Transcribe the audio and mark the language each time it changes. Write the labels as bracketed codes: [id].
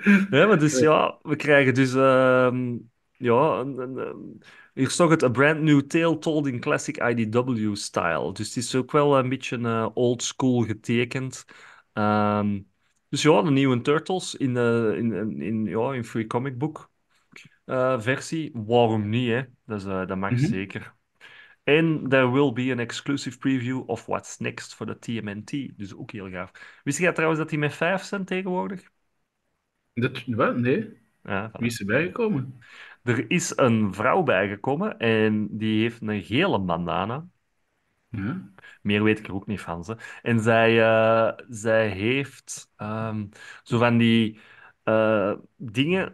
[nl] Nee, maar dus ja, we krijgen dus. Ja, ik zag het, A Brand New Tale Told in Classic IDW Style. Dus het is ook wel een beetje old school getekend. Dus ja, de nieuwe Turtles ja, in Free Comic Book versie. Waarom niet, hè? Dat mag zeker. [en] En there will be an exclusive preview of what's next for the TMNT. [nl] Dus ook heel gaaf. Wist jij trouwens dat die met 5 zijn tegenwoordig? Dat wel, nee. Ja, Wie voilà. is erbij gekomen? Er is een vrouw bijgekomen en die heeft een gele bandana. Ja. Meer weet ik er ook niet van ze. En zij heeft zo van die dingen.